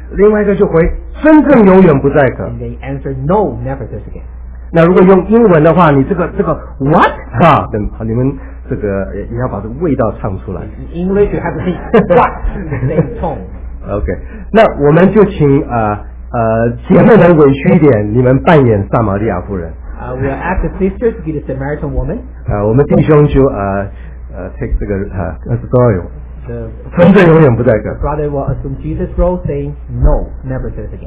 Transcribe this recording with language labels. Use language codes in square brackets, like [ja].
[zh] 另外一个就回真正永远不再渴。 [en] And they answer no never thirst again. [zh] 那如果用英文的话，你这个 what 哈、啊？等你们这个你要把这个味道唱出来。 [en] In English you have to say what same tone. [zh] OK， 那我们就请姐妹们委屈一点，你们扮演撒玛利亚夫人。 [en] We are ask the sisters to be the Samaritan woman。 [zh] 我们弟兄就 [en] take [zh] 这个 [en] story。 [zh] 真正永远不再渴。 [en] Brother will assume Jesus' role, saying, "No, never thirst again."